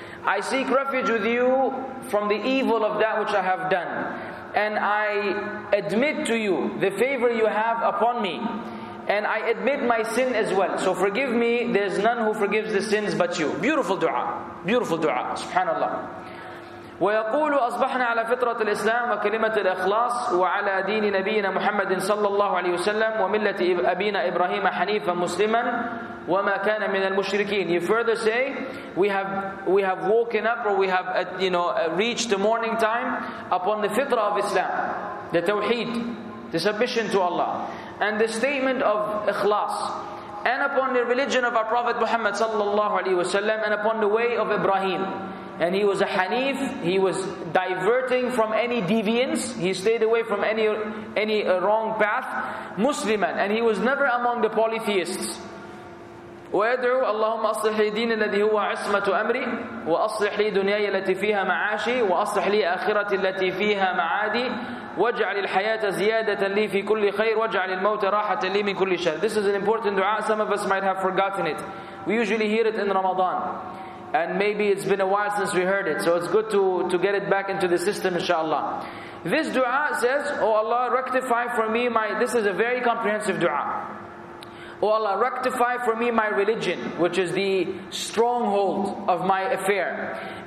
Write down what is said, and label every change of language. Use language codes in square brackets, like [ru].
[en] I seek refuge with you from the evil of that which I have done. And I admit to you the favor you have upon me. And I admit my sin as well. So forgive me, there's none who forgives the sins but you. Beautiful dua. Beautiful dua. Subhanallah. [ar] ويقول أصبحنا على فطرة الإسلام وكلمة الإخلاص وعلى دين نبينا محمد صلى الله عليه وسلم وملة أبينا إبراهيم حنيفا مسلما وما كان من المشركين. [en] You further say, we have woken up, or we have reached the morning time upon the fitrah of Islam, the tawheed, the submission to Allah, and the statement of ikhlas, and upon the religion of our Prophet Muhammad صلى الله عليه وسلم, and upon the way of Ibrahim. And he was a Hanif. He was diverting from any deviance. He stayed away from any wrong path. Musliman. And he was never among the polytheists. [ar] وَيَدْعُوا اللَّهُمَّ أَصْلِحْ لِي دِينِ الَّذِي هُوَ عِصْمَةُ أَمْرِي وَأَصْلِحْ لِي دُنْيَايَ الَّتِي فِيهَا مَعَاشِي وَأَصْلِحْ لِي آخِرَةِ الَّتِي فِيهَا مَعَادِي وَاجْعَلِ الْحَيَاةَ زِيَادَةً لِي فِي كُلِّ خَيْرٍ وَاجْعَلِ الْمَوْتَ رَاحَةً لِي مِنْ كُلِّ شَرٍّ. [en] This is an important dua. Some of us might have forgotten it. We usually hear it in Ramadan. And maybe it's been a while since we heard it. So it's good to get it back into the system, inshallah. This dua says, Oh Allah, rectify for me my... This is a very comprehensive dua. Oh Allah, rectify for me my religion, which is the stronghold of my affair.